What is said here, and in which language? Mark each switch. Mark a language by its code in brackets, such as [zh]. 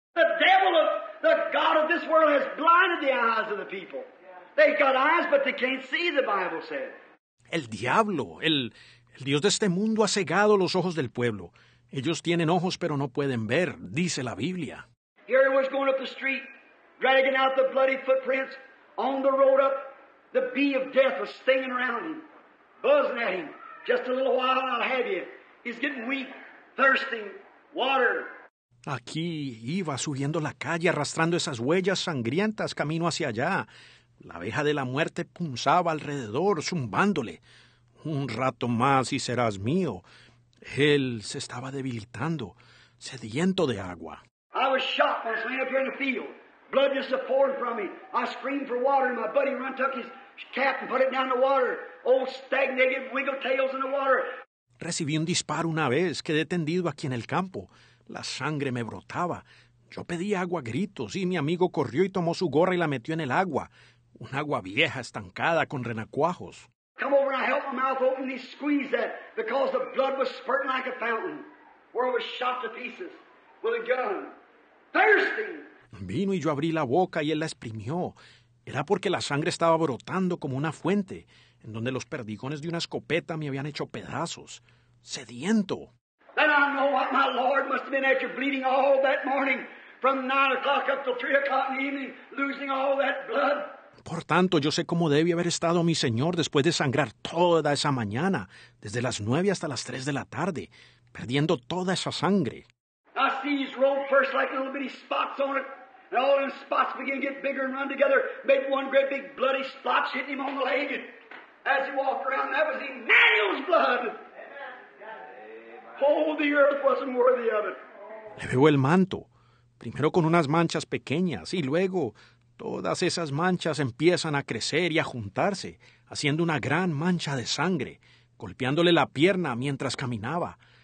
[en] The devil of the God of this world has blinded the eyes of the people. They've got eyes, but they can't see, the Bible said. [es] El diablo, el Dios de este mundo ha cegado los ojos del pueblo. Ellos tienen ojos, pero no pueden ver, dice la Biblia. [en] Here he was going up the street. Dragging out the bloody footprints on the road up, the bee of death was stinging around him, buzzing at him. Just a little while, I'll have you. He's getting weak, thirsting, water. [es] Aquí iba subiendo la calle, arrastrando esas huellas sangrientas camino hacia allá. La abeja de la muerte punzaba alrededor, zumbándole. Un rato más y serás mío. Él se estaba debilitando, sediento de agua. [en] I was shot when I was laying up here in the field. Blood just pouring from me. I screamed for water, and my buddy run took his cap and put it down the water. Old stagnated wiggle tails in the water. [es] Recibí un disparo una vez. Quedé tendido aquí en el campo. La sangre me brotaba. Yo pedí agua a gritos, y mi amigo corrió y tomó su gorra y la metió en el agua. Un agua vieja, estancada, con renacuajos. [en] Come over and I helped my mouth open and he squeezed that, because the blood was spurting like a fountain, where it was shot to pieces with a gun. Thirsty! [es] Vino y yo abrí la boca y él la exprimió. Era porque la sangre estaba brotando como una fuente, en donde los perdigones de una escopeta me habían hecho pedazos. Sediento. [en] Then I know what my Lord must have been at your bleeding all that morning, from 9 o'clock up till 3 o'clock in the evening, losing all that blood. [es] Por tanto, yo sé cómo debe haber estado mi Señor después de sangrar toda esa mañana, desde las 9 hasta las 3 de la tarde, perdiendo toda esa sangre. [en] I see these rolled first like little bitty spots on it. And all them spots begin to get bigger and run together. Made one great big bloody splotch hitting him on the leg. And as he walked around, that was Emmanuel's blood. Oh, the earth wasn't worthy of it. [es] Le veo el manto. Primero con unas manchas pequeñas y luego todas esas manchas empiezan a crecer y a juntarse, haciendo una gran mancha de sangre, golpeándole la pierna mientras caminaba.